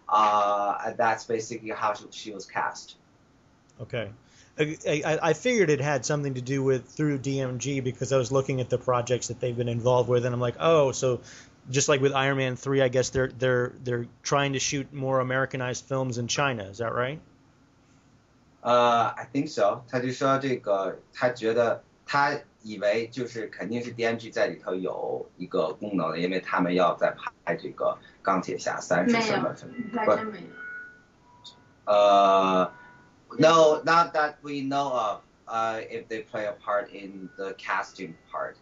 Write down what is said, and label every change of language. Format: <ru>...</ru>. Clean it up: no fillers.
<en>That's basically how she was cast. Okay. I figured it had something to do with through DMG because I was looking at the projects that they've been involved with, and I'm like, oh, so just like with Iron Man 3, I guess they're trying to shoot more Americanized films in China. Is that right? I think so.</en> <zh>他就说这个，他觉得他以为就是肯定是 DMG 在里头有一个功能的，因为他们要在拍这个钢铁侠三是什么？没有，还真没有。</zh> <en>No, not that we know of. If they play a part in the casting part,</en>